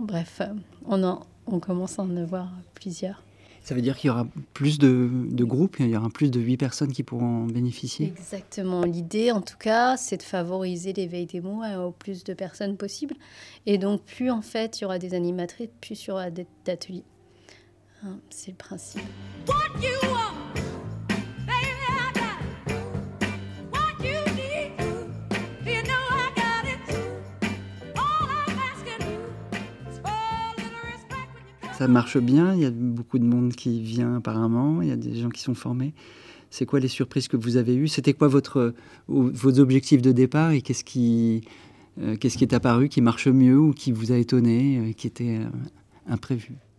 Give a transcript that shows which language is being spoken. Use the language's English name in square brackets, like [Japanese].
[French] Bref, on commence à en avoir plusieurs. Ça veut dire qu'il y aura plus de groupes, il y aura plus de 8 personnes qui pourront bénéficier? Exactement. L'idée, en tout cas, c'est de favoriser l'éveil des mots au plus de personnes possible. Et donc, plus en fait, il y aura des animatrices, plus il y aura d'ateliers. C'est le principe. [English] What you want, baby, I got it. What you need, you know I got it. All I'm asking you is for a little respect when you come. [French] Ça marche bien, il y a beaucoup de monde qui vient apparemment, il y a des gens qui sont formés. C'est quoi les surprises que vous avez eues? C'était quoi vos objectifs de départ et qu'est-ce qui est apparu qui marche mieux ou qui vous a étonné, qui était imprévu?